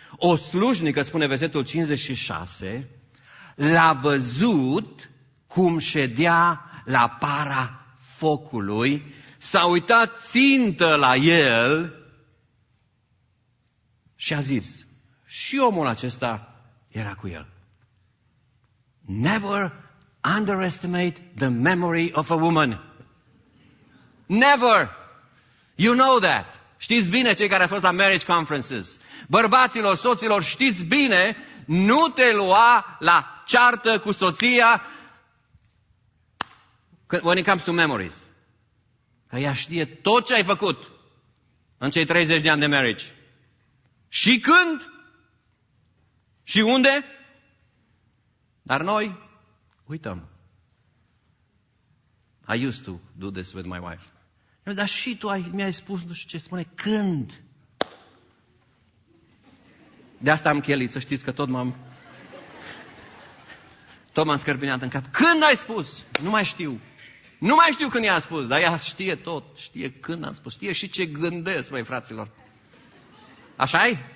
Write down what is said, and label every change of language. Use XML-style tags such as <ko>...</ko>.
<ro>O slujnică, spune versetul 56, l-a văzut cum ședea la para focului, s-a uitat țintă la el și a zis, și omul acesta era cu el.</ro> <en>Never underestimate the memory of a woman. Never! You know that!</en> <ro>Știți bine, cei care au fost la</ro> <en>marriage conferences.</en> <ro>Bărbaților, soților, știți bine, nu te lua la ceartă cu soția</ro> <en>when it comes to memories.</en> <ro>Că ea știe tot ce ai făcut în cei 30 de ani de marriage. Și când? Și unde? Dar noi uităm.</ro> <en>I used to do this with my wife.</en> <ro>Dar și tu mi-ai spus, nu știu ce, spune, când? De asta am chelit, să știți că tot m-am scârbinat în cap. Când ai spus? Nu mai știu. Nu mai știu când i-am spus, dar ea știe tot, știe când am spus, știe și ce gândesc, măi, fraților. Așa-i?</ro>